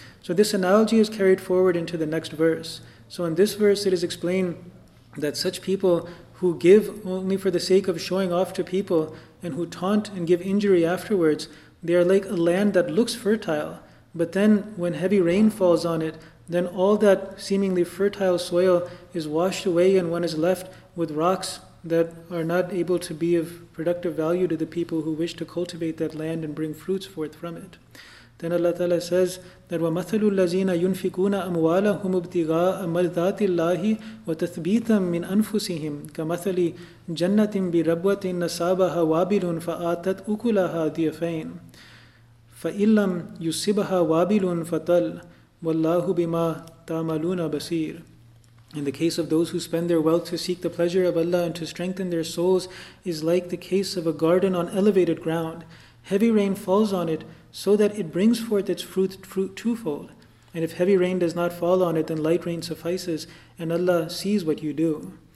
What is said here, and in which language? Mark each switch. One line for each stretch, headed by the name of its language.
English: So this analogy is carried forward into the next verse. So in this verse, it is explained that such people who give only for the sake of showing off to people and who taunt and give injury afterwards, they are like a land that looks fertile, but then when heavy rain falls on it, then all that seemingly fertile soil is washed away and one is left with rocks that are not able to be of productive value to the people who wish to cultivate that land and bring fruits forth from it. Then Allah Ta'ala says that
Arabic: وَمَثَلُ الَّذِينَ يُنْفِقُونَ أَمْوَالَهُمُ ابْتِغَاءَ مَرْضَاتِ اللَّهِ وَتَثْبِيتًا مِّنْ أَنفُسِهِمْ كَمَثَلِ جَنَّةٍ بِرَبْوَةٍ نَصَابَهَا وَابِلٌ فَآتَتْ أُكُلَهَا ضِعْفَيْنِ فَإِن لَّمْ يُصِبْهَا وَابِلٌ فَطَلٌّ وَاللَّهُ بِمَا تَعْمَلُونَ بَصِيرٌ.
English: In the case of those who spend their wealth to seek the pleasure of Allah and to strengthen their souls is like the case of a garden on elevated ground. Heavy rain falls on it so that it brings forth its fruit twofold. And if heavy rain does not fall on it, then light rain suffices and Allah sees what you do.